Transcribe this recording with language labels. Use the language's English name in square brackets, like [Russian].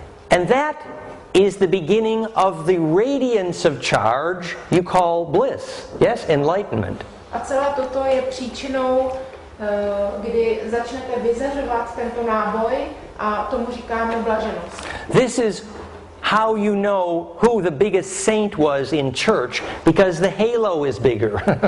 [English] And that is the beginning of the radiance of charge you call bliss. Yes, enlightenment. [Czech] A celé toto je příčinou, kdy začnete vyzařovat tento náboj a tomu říkáme blaženost. [English] This is how you know who the biggest saint was in church, because the halo is bigger.